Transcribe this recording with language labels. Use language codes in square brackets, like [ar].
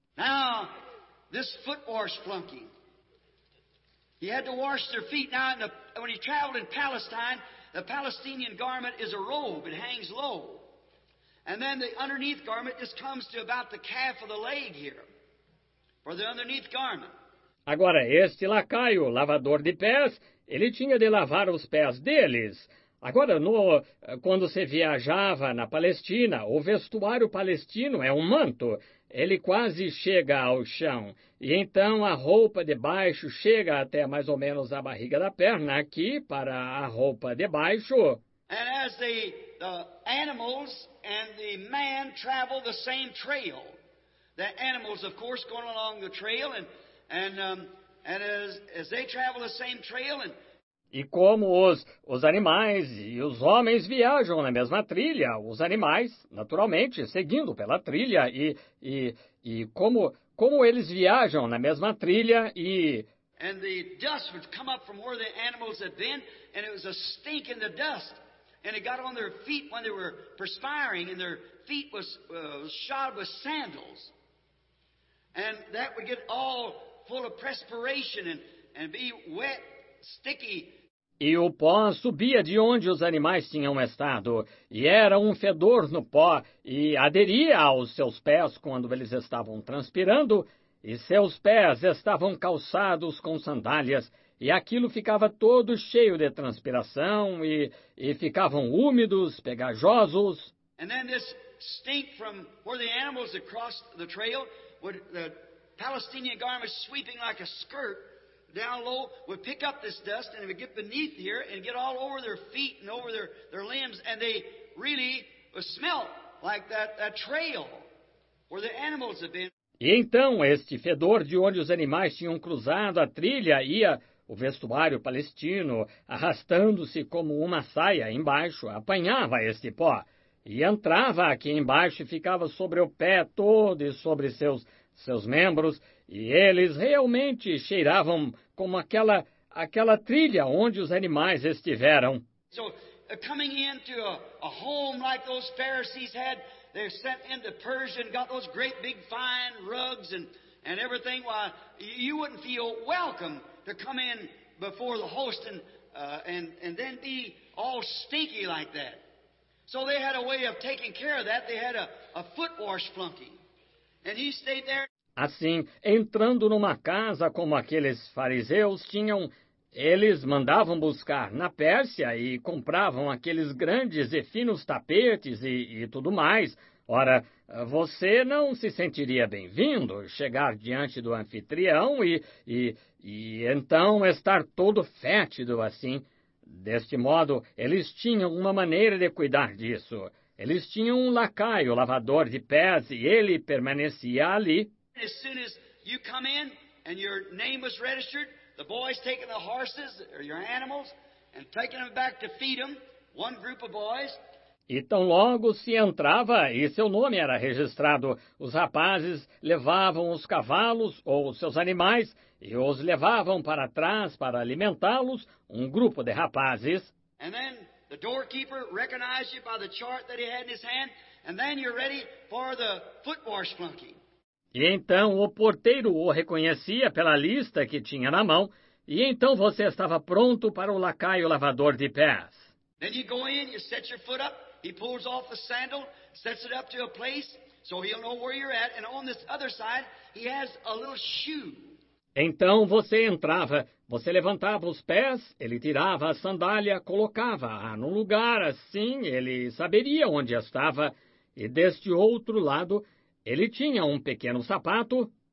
[en] Now, this foot wash flunky. He had to wash their feet. Now, when he traveled in Palestine, the Palestinian garment is a robe. It hangs low. And then the underneath garment just comes to about the calf of the leg here. For the underneath garment. [pt] Agora, este lacaio, lavador de pés, ele tinha de lavar os pés deles. Agora, quando se viajava na Palestina, o vestuário palestino é um manto. Ele quase chega ao chão. E então a roupa de baixo chega até mais ou menos a barriga da perna aqui para a roupa de baixo. [en] And as the animals and the man travel the same trail. The animals, of course, going along the trail and as they travel the same trail and [pt] e como os animais e os homens viajam na mesma trilha, os animais, naturalmente, seguindo pela trilha, e como eles viajam na mesma trilha e [en] and the dust would come up from where the animals had been, and it was a stink in the dust, and it got on their feet when they were perspiring, and their feet was shod with sandals, and that would get all full of perspiration and be wet, sticky. [pt] E o pó subia de onde os animais tinham estado, e era um fedor no pó, e aderia aos seus pés quando eles estavam transpirando, e seus pés estavam calçados com sandálias, e aquilo ficava todo cheio de transpiração, e ficavam úmidos, pegajosos. E então, esse [en] stink from where the animals had crossed the trail, with the Palestinian garments sweeping like a skirt. Down low would pick up this dust and it would get beneath here and get all over their feet and over their limbs and they really smelled like that trail where the animals had been. [pt] E então este fedor de onde os animais tinham cruzado a trilha ia o vestuário palestino arrastando-se como uma saia embaixo apanhava este pó e entrava aqui embaixo e ficava sobre o pé todo e sobre seus membros. E eles realmente cheiravam como aquela trilha onde os animais estiveram. [en] So, coming into a home like those Pharisees had, they're sent into Persia and got those great big fine rugs and everything. Why, you wouldn't feel welcome to come in before the host and then be all stinky like that. So they had a way of taking care of that. They had a foot wash flunky. And he stayed there. [pt] Assim, entrando numa casa como aqueles fariseus tinham, eles mandavam buscar na Pérsia e compravam aqueles grandes e finos tapetes e tudo mais. Ora, você não se sentiria bem-vindo chegar diante do anfitrião e então estar todo fétido assim. Deste modo, eles tinham uma maneira de cuidar disso. Eles tinham um lacaio, lavador de pés, e ele permanecia ali. [en] As soon as you come in and your name was registered, the boys taking the horses or your animals and taking them back to feed them, one group of boys. [pt] E tão logo se entrava e seu nome era registrado, os rapazes levavam os cavalos ou seus animais e os levavam para trás para alimentá-los, um grupo de rapazes. [en] And then the doorkeeper recognized you by the chart that he had in his hand, and then you're ready for the foot wash flunky. [pt] E então o porteiro o reconhecia pela lista que tinha na mão, e então você estava pronto para o lacaio lavador de pés. [en] Then you go in, you set your foot up. He pulls off the sandal, sets it up to a place, so he'll know where you're at. And on this other side, he has a little shoe. [pt] Então você entrava, você levantava os pés, ele tirava a sandália, colocava-a no lugar, assim ele saberia onde estava. E deste outro lado, ele tinha um pequeno sapato.